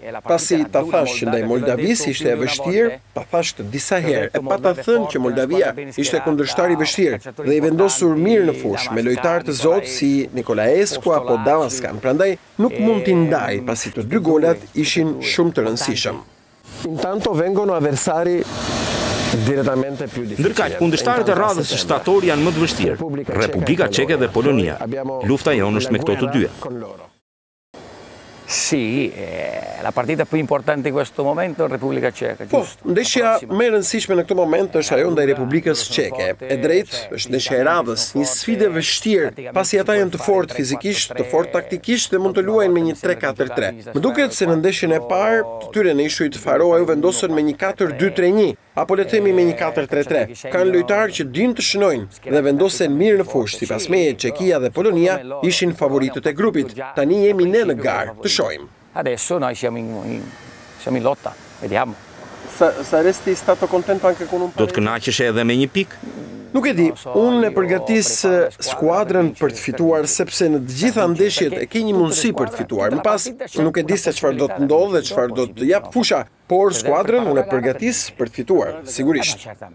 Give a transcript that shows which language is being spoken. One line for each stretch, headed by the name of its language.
Albanian: Pasi ta fash ndaj Moldavis ishte e vështirë, pa fash të disa herë, e pa ta thënë që Moldavia ishte kundërshtar i vështirë dhe i vendosur mirë në fush me lojtarë të zotë si Nikolaescu apo Damaskan. Prandaj nuk mund t'i ndaj pasi të dy golat ishin shumë të rëndësishëm.
Italian: Intanto vengono avversari direttamente più difficili.
Albanian: Ndërkaq, kundërshtarët e radhës së shtatorit janë më të vështirë. Republika Çeke dhe Polonia. Lufta jonë është me këto të dyja.
Italian: Sì, la partita più importante in questo momento è Repubblica Ceca, giusto?
Albanian: Po, ndeshja me rëndësishme në këtë moment është ajo ndaj Republikës Ceke. E drejt, është ndeshja e radhës, një sfide vështirë, pasi ata janë të fort fizikisht, të fort taktikisht dhe mund të luajnë me një 3-4-3. Më duket se në ndeshjen e parë, të tyre në ishujt faro ajo vendosën me një 4-2-3-1. Apo le themi me një 4-3-3. Kanë lojtarë që dinë të shënojnë dhe vendosen mirë në fush. Sipas meje, Çekia dhe Polonia ishin favoritët e grupit. Tani jemi ne në garë, të shohim.
Italian: Adesso noi siamo in lotta. Vediamo. Saresti stato contento anche con un
Albanian: Do të kënaqesh edhe me një pikë? Nuk e di. Unë e përgatis skuadrën për të fituar sepse në të gjitha ndeshjet e ke një mundësi për të fituar. Më pas, nuk e di se çfarë do të ndodhë dhe çfarë do të jap fusha. Por skuadrën unë e përgatis për të fituar, sigurisht.